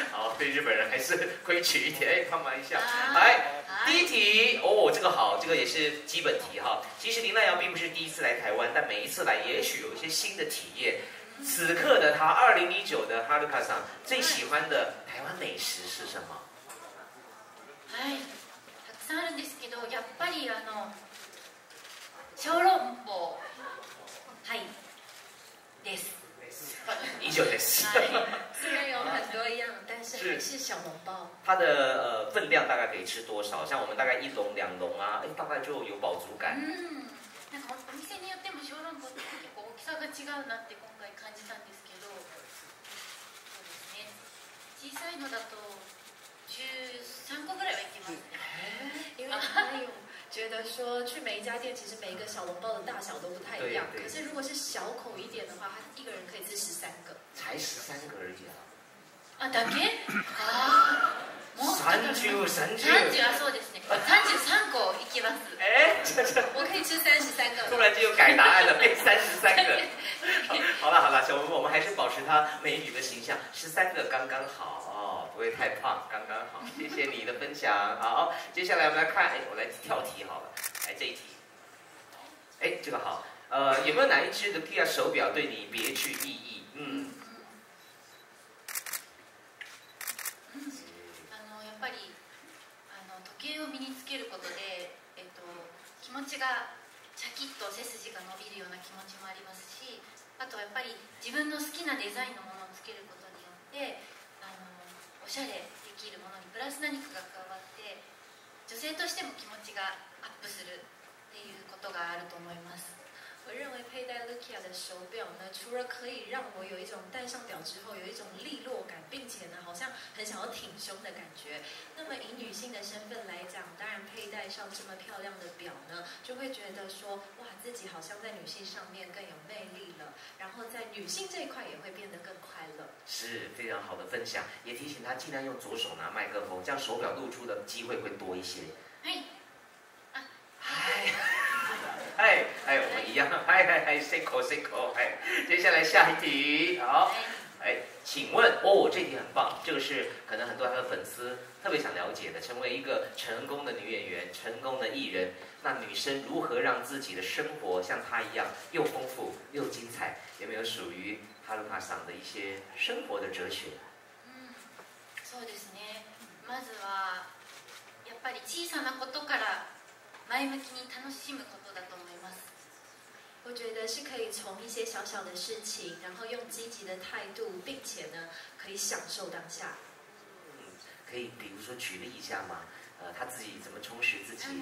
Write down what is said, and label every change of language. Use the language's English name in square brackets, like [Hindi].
[Chinese] 好，对日本人还是规矩一点，哎，帮忙一下，来。第一题哦，这个好，这个也是基本题哈。其实林濑遥并不是第一次来台湾，但每一次来，也许有一些新的体验。此刻的他，2019的哈鲁卡桑最喜欢的台湾美食是什么？ [Japanese] 哎，たくさんあるんですけど、やっぱり小籠包、はいです。依旧です。 [Chinese] 虽然有很多样，但是还是小笼包。它的分量大概可以吃多少？像我们大概一笼、两笼啊，哎，大概就有饱足感。 [Japanese] 嗯，なんかお店によっても小籠包って結構大きさが違うなって。感じたんですけど、そうですね、小さいのだと13個ぐらいはいけますね。 [Chinese] 因为他有觉得说去每一家店，其实每一个小笼包的大小都不太一样。可是如果是小口一点的话，他一个人可以吃13个。才13个而已啊。 [Japanese] 啊，だけ？啊，もう30 はそうですね。33個いきます。え、 [Chinese] 我可以吃33个。突然间又改答案了，变33个。好了好了，小文，我们还是保持她美女的形象，13个刚刚好哦，不会太胖，刚刚好。谢谢你的分享。好，接下来我们来看，哎，我来跳题好了，来这一题。哎，这个好，有没有哪一只的 Lupia 手表对你别具意义？嗯。嗯， [Japanese] やっぱり時計を身につけることで、気持ちがシャキッと背筋が伸びるような気持ちもありますし。あとはやっぱり自分の好きなデザインのものをつけることによって、おしゃれできるものにプラス何かが加わって、女性としても気持ちがアップするっていうことがあると思います。 [Chinese] 佩戴 Lukia 的手表呢，除了可以让我有一种戴上表之后有一种利落感，并且呢好像很想要挺胸的感觉，那么以女性的身份来讲，当然佩戴上这么漂亮的表呢，就会觉得说哇，自己好像在女性上面更有魅力了，然后在女性这一块也会变得更快乐。是非常好的分享，也提醒她尽量用左手拿麦克风，这样手表露出的机会会多一些。哎，我们一样，哎哎哎 ，say call， 哎，接下来下一题，好，哎，请问，哦，这题很棒，这个是可能很多他的粉丝特别想了解的，成为一个成功的女演员，成功的艺人，那女生如何让自己的生活像她一样又丰富又精彩？有没有属于哈鲁卡桑的一些生活的哲学？嗯， [Japanese] そうですね。まずはやっぱり小さなことから。前向きに楽しむことだと思います。 [Chinese] 我觉得是可以从一些小小的事情，然后用积极的态度，并且呢，可以享受当下。嗯，可以，比如说举例一下嘛，他自己怎么充实自己